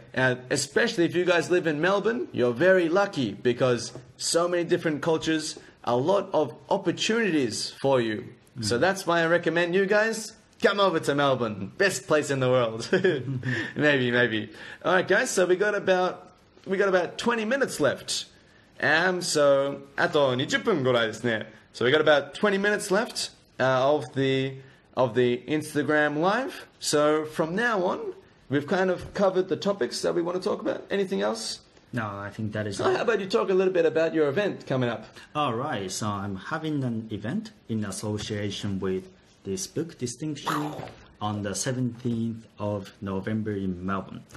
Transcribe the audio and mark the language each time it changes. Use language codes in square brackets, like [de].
[en] Especially if you guys live in Melbourne, you're very lucky because so many different cultures, a lot of opportunities for you. Mm. So that's why I recommend you guys come over to Melbourne, best place in the world. maybe. All right, guys. So we got about 20 minutes left. [ja] So あと20分ぐらいですね。 [en] So we got about 20 minutes left of the Instagram live. So from now on, we've kind of covered the topics that we want to talk about. Anything else? No, I think that is it. How about you talk a little bit about your event coming up? All right. So I'm having an event in association with this book distinction on the 17th of November in Melbourne.